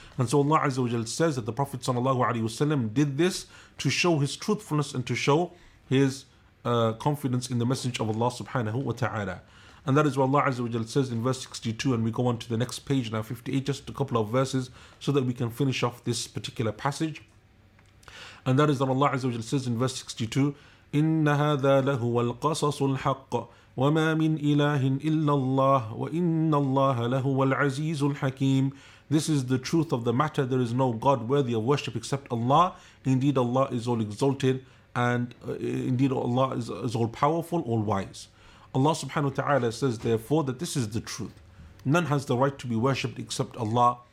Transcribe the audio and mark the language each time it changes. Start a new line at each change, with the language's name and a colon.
English: And so Allah Azza wa Jalla says that the Prophet sallallahu alaihi wasallam did this to show his truthfulness and to show his confidence in the message of Allah subhanahu wa ta'ala. And that is what Allah Azza wa Jalla says in verse 62, and we go on to the next page now, 58, just a couple of verses so that we can finish off this particular passage. And that is that Allah Azza wa Jalla says in verse 62,
Arabic: إِنَّ هَذَا لَهُوَ الْقَصَصُ الْحَقَّ وَمَا مِنْ إِلَهٍ إِلَّا اللَّهِ وَإِنَّ اللَّهَ لَهُوَ الْعَزِيزُ الْحَكِيمُ.
English: This is the truth of the matter. There is no God worthy of worship except Allah. Indeed Allah is all exalted, and indeed Allah is all powerful, all wise. Allah subhanahu wa ta'ala says therefore that this is the truth. None has the right to be worshipped except Allah.